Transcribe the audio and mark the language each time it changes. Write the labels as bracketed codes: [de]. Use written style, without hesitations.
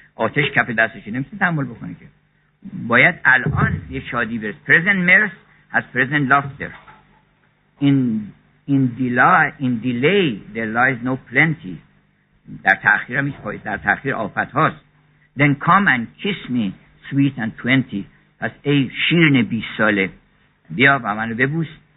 [fa] آتش کف دستش نمیتونه تحمل بکنه که. باید الان یه شادی برس. [en] present mirth has present laughter in delay there lies no plenty، [fa] در تاخیر هم هست، در تاخیر آفت هاست. [en] then come and kiss me sweet and twenty، [fa] پس ای شیرین 20 ساله بیا با منو ببوس.